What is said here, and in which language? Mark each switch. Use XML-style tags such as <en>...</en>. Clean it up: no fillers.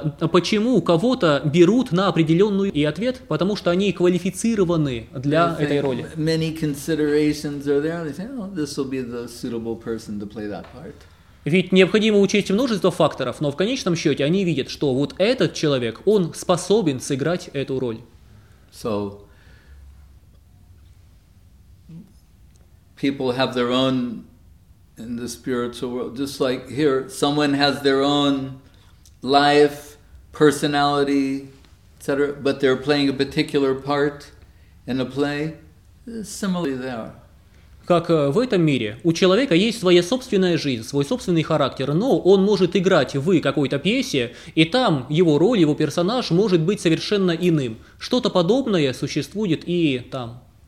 <ru>Почему кого-то берут на определенную... И ответ, потому что они квалифицированы для этой роли.</ru> <en>Many considerations are there. They say, oh, this will be the suitable person to play that part.</en> <ru>Ведь необходимо учесть множество факторов, но в конечном счете они видят, что вот этот человек, он способен сыграть эту роль.</ru> <en>So, people have their own in the spiritual world, just like here, someone has their own life, personality, etc., but they're playing a particular part in a play, similarly there.</en> <ru>Как в этом мире, у человека есть своя собственная жизнь, свой собственный характер, но он может играть в какой-то пьесе, и там его роль, его персонаж может быть совершенно иным. Что-то подобное существует и там.</ru>